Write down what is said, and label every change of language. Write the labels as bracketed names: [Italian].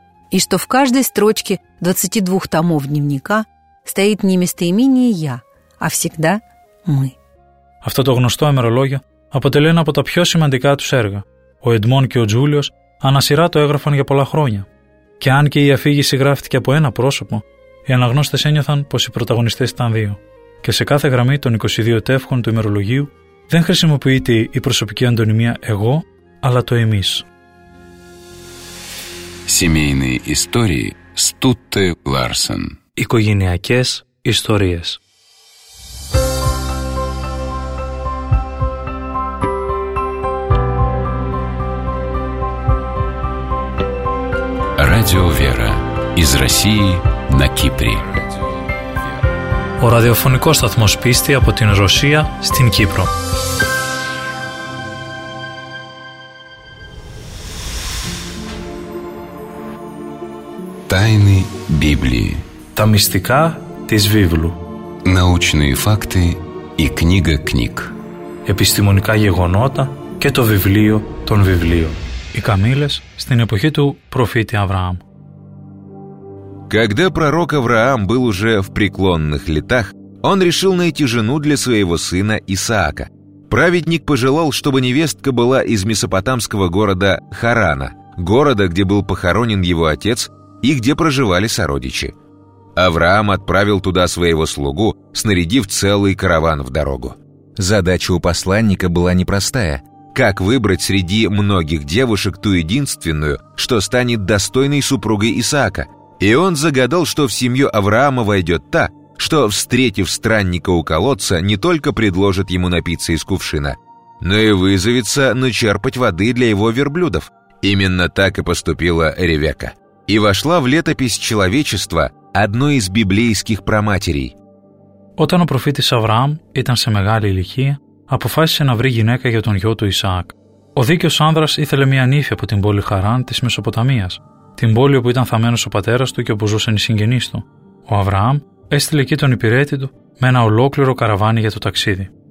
[Russian] И что в каждой строчке 22 томов дневника – стоит не местоимение «я», а всегда «мы». [Greek] Αυτό το γνωστό ημερολόγιο αποτελεί ένα από τα πιο σημαντικά τους έργα. Ο Εντμόν και ο Τζούλιος ανά σειρά το έγραφαν για πολλά χρόνια. Και αν και η αφήγηση γράφτηκε από ένα πρόσωπο, οι αναγνώστες ένιωθαν πως οι πρωταγωνιστές ήταν δύο. Και σε κάθε γραμμή των 22 τεύχων του ημερολογίου δεν χρησιμοποιείται η προσωπική αντωνυμία «εγώ», αλλά το «εμείς». [Russian] Семейные истории Стутте Ларсен. [Greek] Οικογενειακές ιστορίες. [Russian] Radio Vera из России на Кипре. [Greek] Ο ραδιοφωνικός σταθμός πίστη από την Ρωσία στην Κύπρο. [Russian] Тайны Библии. [Greek] Τα μυστικά της Βίβλου. [Russian] Научные факты и книга книг. [Greek] Επιστημονικά γεγονότα και το βιβλίο των βιβλίων. Οι καμήλες στην εποχή του προφήτη Αβραάμ. [Russian] Когда пророк Авраам был уже в преклонных летах, он решил найти жену для своего сына Исаака. Праведник пожелал, чтобы невестка была из месопотамского города Харана, города, где был похоронен его отец и где проживали сородичи. Авраам отправил туда своего слугу, снарядив целый караван в дорогу. Задача у посланника была непростая. Как выбрать среди многих девушек ту единственную, что станет достойной супругой Исаака? И он загадал, что в семью Авраама войдет та, что, встретив странника у колодца, не только предложит ему напиться из кувшина, но и вызовется начерпать воды для его верблюдов. Именно так и поступила Ревека. И вошла в летопись человечества – одно из библейских праматерей. [Greek] Όταν ο προφήτης Αβραάμ ήταν σε μεγάλη ηλικία, αποφάσισε να βρει γυναίκα για τον γιο του Ισαάκ. Ο δίκαιος άνδρας ήθελε μια νύφη από την πόλη Χαράν της Μεσοποταμίας, την πόλη όπου ήταν θαμμένος ο πατέρας του και όπου ζούσαν οι συγγενείς του. Ο Αβραάμ έστειλε εκεί τον υπηρέτη του με ένα ολόκληρο καραβάνι για το ταξίδι.